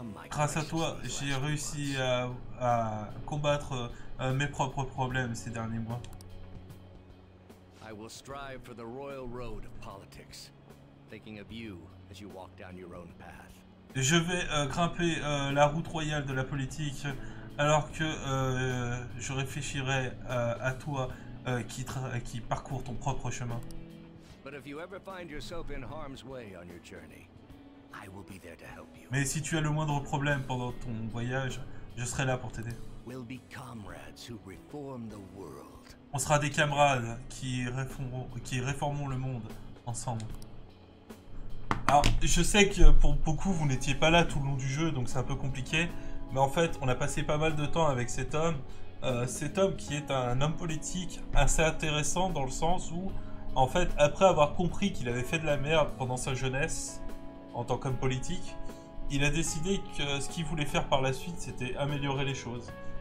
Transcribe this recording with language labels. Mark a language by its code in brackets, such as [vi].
[fr] Grâce à toi, j'ai réussi à combattre mes propres problèmes ces derniers mois. [en] I will strive for the royal road of politics, thinking of you as you walk down your own path. [fr] Je vais grimper la route royale de la politique alors que je réfléchirai à toi qui parcours ton propre chemin. [en] But if you ever find yourself in harm's way on your journey, I will be there to help you. [fr] Mais si tu as le moindre problème pendant ton voyage, je serai là pour t'aider. [en] We'll be comrades who reform the world. [fr] On sera des camarades qui réformeront le monde ensemble. Alors, je sais que pour beaucoup, vous n'étiez pas là tout le long du jeu, donc c'est un peu compliqué. Mais en fait, on a passé pas mal de temps avec cet homme. Cet homme qui est un homme politique assez intéressant dans le sens où, en fait, après avoir compris qu'il avait fait de la merde pendant sa jeunesse en tant qu'homme politique, il a décidé que ce qu'il voulait faire par la suite, c'était améliorer les choses.